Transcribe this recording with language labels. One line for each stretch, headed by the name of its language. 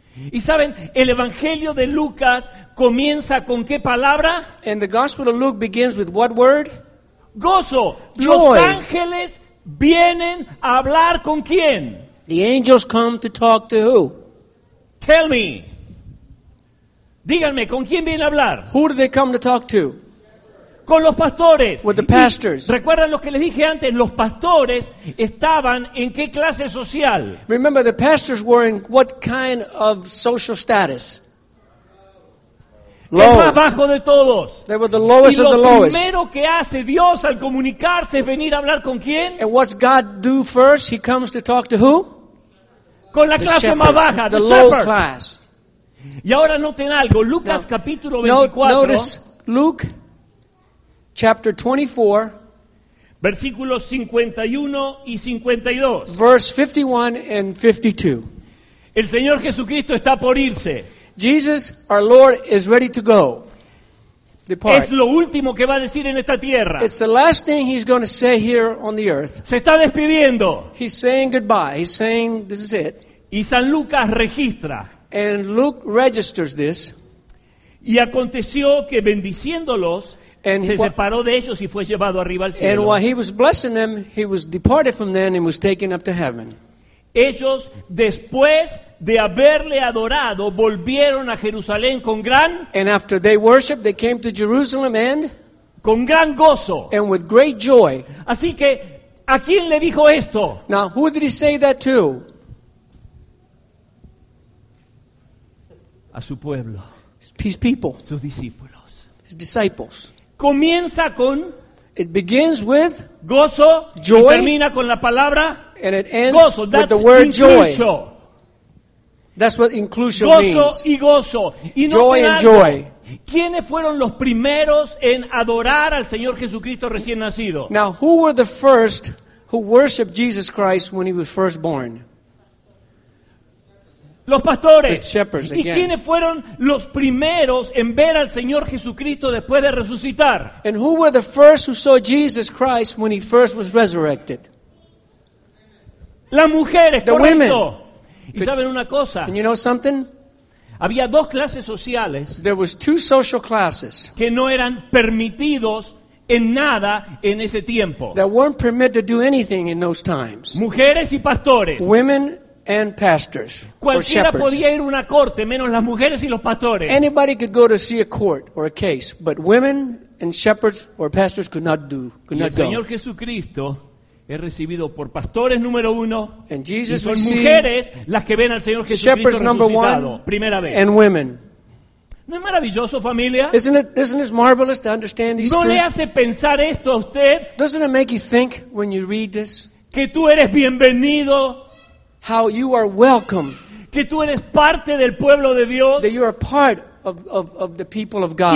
Spanish: Y saben, el Evangelio de Lucas comienza con qué palabra?
English: And the Gospel of Luke begins with what word?
Spanish: Gozo.
English: Joy.
Spanish: Los ángeles vienen a hablar con quién?
English: The angels come to talk to who? Tell me.
Spanish: Díganme, ¿con quién vienen a hablar?
English: Who do they come to talk to?
Spanish: Con los pastores.
English: With the pastors.
Spanish: ¿Recuerdan lo que les dije antes? Los pastores estaban en qué clase social.
English: Remember, the pastors were in what kind of social status? Low.
Spanish: El más bajo de todos.
English: They were the lowest of the lowest.
Spanish: Y lo primero que hace Dios al comunicarse es venir a hablar con quién.
English: And what's God do first? He comes to talk to who?
Spanish: Con la clase
English: shepherds,
Spanish: más baja.
English: The low class.
Spanish: Y ahora noten algo, Lucas
English: now,
Spanish: capítulo 24.
English: Notice Luke chapter 24,
Spanish: versículos 51 y 52.
English: Verse 51 and 52.
Spanish: El Señor Jesucristo está por irse.
English: Jesus, our Lord, is ready to go. Depart.
Spanish: Es lo último que va a decir en esta tierra.
English: It's the last thing he's going to say here on the earth.
Spanish: Se está despidiendo.
English: He's saying goodbye. He's saying this is it.
Spanish: Y San Lucas registra.
English: And Luke registers this.
Spanish: Y aconteció que bendiciéndolos, and se separó de ellos y fue llevado arriba al cielo.
English: And while he was blessing them, he was departed from them and was taken up to heaven.
Spanish: Ellos, después de haberle adorado, volvieron a Jerusalén con gran.
English: And after they worshiped, they came to Jerusalem and.
Spanish: Con gran gozo.
English: And with great joy.
Spanish: Así que, ¿a quién le dijo esto?
English: Now, who did he say that to?
Spanish: A su pueblo.
English: His people.
Spanish: Sus discípulos.
English: His disciples.
Spanish: Comienza con.
English: It begins with.
Spanish: Gozo.
English: Joy.
Spanish: Y termina con la palabra.
English: And it ends
Spanish: gozo.
English: With that's the word inclusio. Joy. That's what inclusion
Spanish: gozo
English: means.
Spanish: Gozo y gozo. Y
English: joy
Spanish: noten
English: and
Spanish: algo.
English: Joy.
Spanish: ¿Quiénes fueron los primeros en adorar al Señor Jesucristo recién nacido?
English: Now, who were the first who worshipped Jesus Christ when he was first born?
Spanish: Los pastores.
English: The shepherds, again.
Spanish: ¿Y quiénes fueron los primeros en ver al Señor Jesucristo después de resucitar?
English: And who were the first who saw Jesus Christ when he first was resurrected?
Spanish: Las mujeres,
English: the
Spanish: correcto.
English: Women.
Spanish: ¿Y saben una cosa?
English: And you know something?
Spanish: Había dos clases sociales.
English: There was two social classes.
Spanish: Que no eran permitidos en nada en ese tiempo.
English: That weren't permitted to do anything in those times.
Spanish: Mujeres y pastores.
English: Women and pastors.
Spanish: Cualquiera podía ir a una corte, menos las mujeres y los pastores.
English: Anybody could go to see a court or a case, but women and shepherds or pastors could not do. Could not go.
Spanish: El Señor Jesucristo es recibido por pastores número uno, y son mujeres las que ven al Señor Jesucristo resucitado primera vez.
English: And women.
Spanish: ¿No es maravilloso, familia?
English: Isn't it marvelous to understand these truths?
Spanish: ¿No le hace pensar esto a usted?
English: Doesn't it make you think when you read this?
Spanish: Que tú eres bienvenido.
English: How you are welcome.
Spanish: Que tú eres parte del pueblo de Dios.
English: That you are part of the people of God.